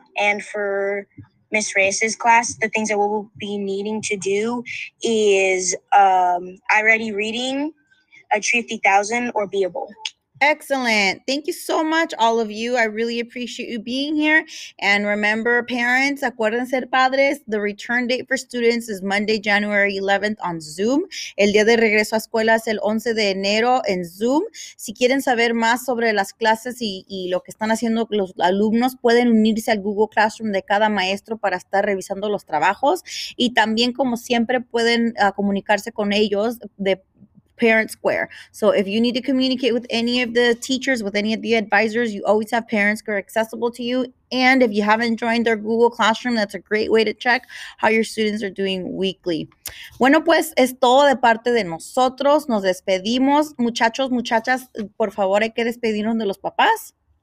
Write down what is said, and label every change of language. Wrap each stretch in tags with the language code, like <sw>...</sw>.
<en>And for Miss Reyes's class, the things that we'll be needing to do is iReady reading, Achieve 3000, or Beable. Excellent. Thank you so much, all of you. I really appreciate you being here. And remember, parents,</en> <es>acuérdense, padres,</es> <en>the return date for students is Monday, January 11th on Zoom.</en> <es>El día de regreso a escuela es el 11 de enero en Zoom. Si quieren saber más sobre las clases y lo que están haciendo los alumnos, pueden unirse al Google Classroom de cada maestro para estar revisando los trabajos. Y también, como siempre, pueden comunicarse con ellos de Parent Square.</es> <en>So if you need to communicate with any of the teachers, with any of the advisors, you always have Parent Square accessible to you. And if you haven't joined their Google Classroom, that's a great way to check how your students are doing weekly.</en> <es>Bueno, pues, es todo de parte de nosotros. Nos despedimos. Muchachos, muchachas, por favor, hay que despedirnos de los papás.</es>